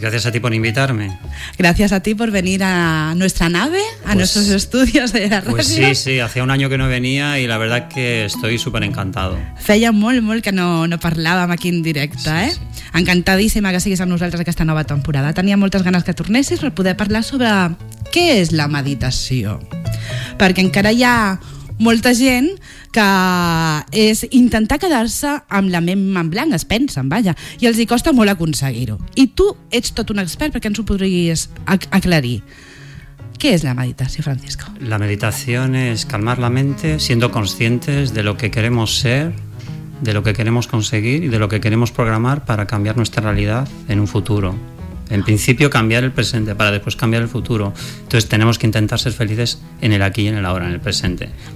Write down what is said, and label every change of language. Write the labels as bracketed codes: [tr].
[es] Gracias a ti por invitarme. Gracias a ti por venir a nuestra nave, a pues, nuestros estudios de la radio. Pues sí, sí, hacía un año que no venía y la verdad que estoy súper encantado. [ca] Feia molt, molt que no parlàvem aquí en directe, sí, eh? Sí. Encantadíssima que siguis amb nosaltres aquesta nova temporada. Tenia moltes ganes que tornessis per poder parlar sobre què és la meditació. Perquè encara hi ha molta gent que és intentar quedar-se amb la ment en blanc, es pensen, vaja, i els hi costa molt aconseguir-ho. I tu ets tot un expert, perquè ens ho podries aclarir. Què és la meditació, Francisco? La meditació és calmar [es] la mente, siendo conscientes de lo que queremos ser, de lo que queremos conseguir y de lo que queremos programar para cambiar nuestra realidad en un futuro. En principio, cambiar el presente para después cambiar el futuro. Entonces, tenemos que intentar ser felices en el aquí y en el ahora, en el presente.